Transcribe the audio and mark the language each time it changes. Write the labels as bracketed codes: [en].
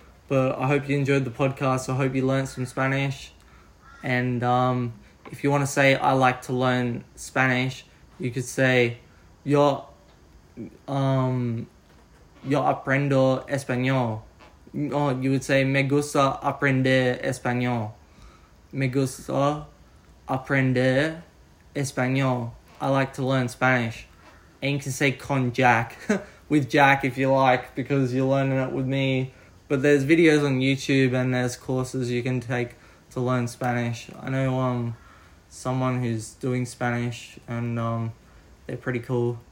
[en] But I hope you enjoyed the podcast. I hope you learned some Spanish. And if you want to say, I like to learn Spanish, you could say, [es] yo aprendo español. [en] Oh, you would say, [es] me gusta aprender español. Me gusta aprender español. [en] I like to learn Spanish. And you can say, [es] con Jack. [en] With Jack, if you like, because you're learning it with me. But there's videos on YouTube and there's courses you can take to learn Spanish. I know someone who's doing Spanish and they're pretty cool.